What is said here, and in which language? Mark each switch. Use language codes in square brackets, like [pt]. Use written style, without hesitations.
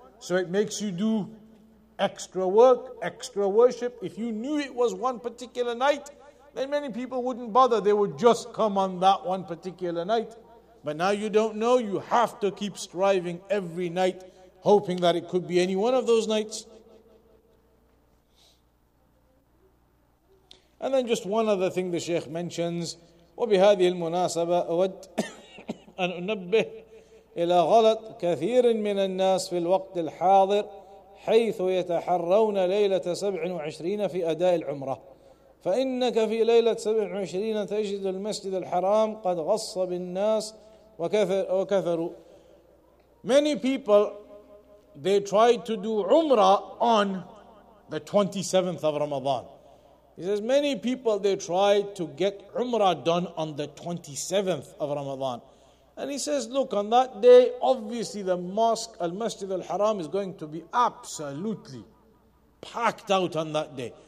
[en] So it makes you do extra work, extra worship. If you knew it was one particular night, then many people wouldn't bother. They would just come on that one particular night. But now you don't know, you have to keep striving every night, hoping that it could be any one of those nights. And then just one other thing the Shaykh mentions, [ar] وَبِهَذِهِ الْمُنَاسَبَةِ أَوَدْ أَنْ أُنَبِّهِ إلى غلط كثير من الناس في الوقت الحاضر حيث يتحرون ليلة 27 في أداء العمرة فإنك في ليلة 27 تجد المسجد الحرام قد غص بالناس وكثروا. [en] Many people, they tried to do Umrah on the 27th of Ramadan. He says many people, they tried to get Umrah done on the 27th of Ramadan. And he says, look, on that day, obviously the mosque, Al-Masjid Al-Haram, is going to be absolutely packed out on that day.